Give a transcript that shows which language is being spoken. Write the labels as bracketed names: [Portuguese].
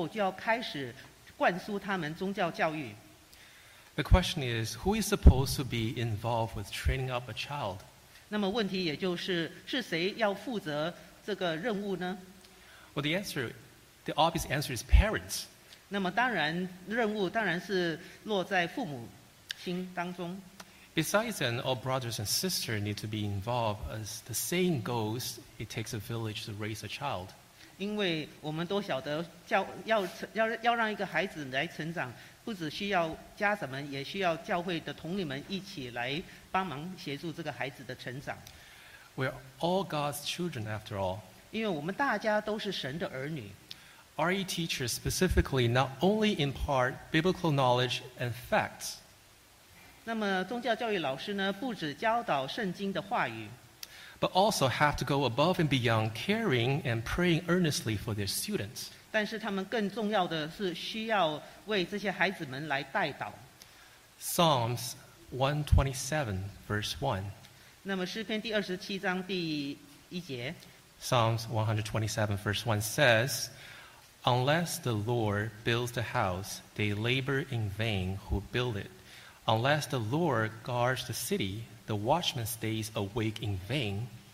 [Chinese] 那么我们大家都晓得，在小孩子非常小的时候就要开始灌输他们宗教教育。 [English] The question is, who is supposed to be involved with training up a child? [Chinese] 那么问题也就是，是谁要负责这个任务呢？ [English] Well, the obvious answer is parents. [Chinese] 那么当然，任务当然是落在父母。 [English] Besides then, all brothers and sisters need to be involved, as the saying goes, it takes a village to raise a child. [Chinese] 因为我们都晓得，要让一个孩子来成长，不只需要家长们，也需要教会的同龄们一起来帮忙协助这个孩子的成长。 [English] We are all God's children after all. [Chinese] 因为我们大家都是神的儿女。 [English] RE teachers specifically not only impart biblical knowledge and facts, [Chinese] 那么宗教教育老师呢，不只教导圣经的话语。 [English] But also have to go above and beyond caring and praying earnestly for their students. [Chinese] 但是他们更重要的是需要为这些孩子们来代祷。 [English] Psalms 127 verse 1. [Chinese] 那么诗篇第二十七章第一节。 [English] Psalms 127 verse 1 says, Unless the Lord builds the house, they labor in vain who build it. Unless the Lord guards the city, the watchman stays awake in vain.